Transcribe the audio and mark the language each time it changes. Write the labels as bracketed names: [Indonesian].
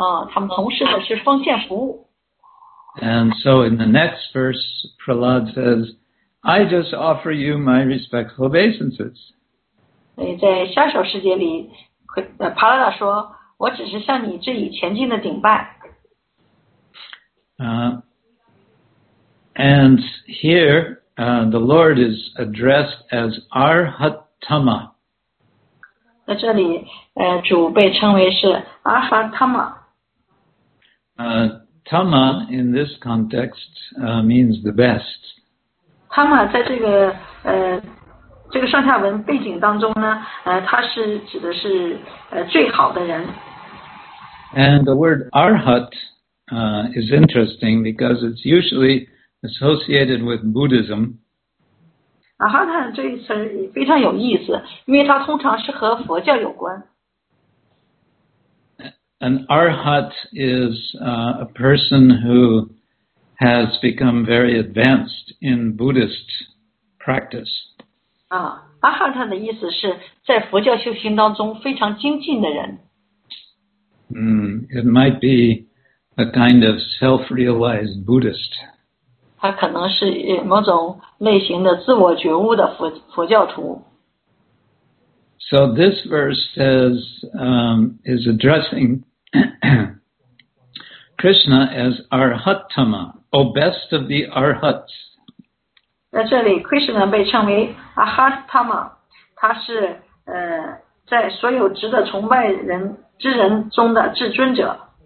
[Chinese] 他们从事的是奉献服务。 [English] And so in the next verse, Prahlad says,I just offer you my respectful obeisances. [Chinese] 在下首诗节里，帕拉达说，我只是向你致以虔敬的顶拜。 [English] And here, the Lord is addressed as Arhatama. [Chinese] 在这里，主被称为是 Arhatama. [English] Tama in this context means the best. [Chinese] 他们在这个上下文背景当中呢，他是指的是最好的人。 [English] And the word arhat is interesting because it's usually associated with Buddhism. [Chinese] Arhat 这一词非常有意思，因为它通常是和佛教有关。 [English] An arhat is a person who. Has become very advanced in Buddhist practice. [Chinese] Arhat 的意思是在佛教修行当中非常精进的人。 [English] It might be a kind of self-realized Buddhist. [Chinese] 他可能是某种类型的自我觉悟的佛教徒。 [English] So this verse says, is addressing Krishna as Arhatama. Oh, best of the arhats. [Chinese] 在这里 ，Krishna 被称为 Arhatama， 他是在所有值得崇拜人之人中的至尊者。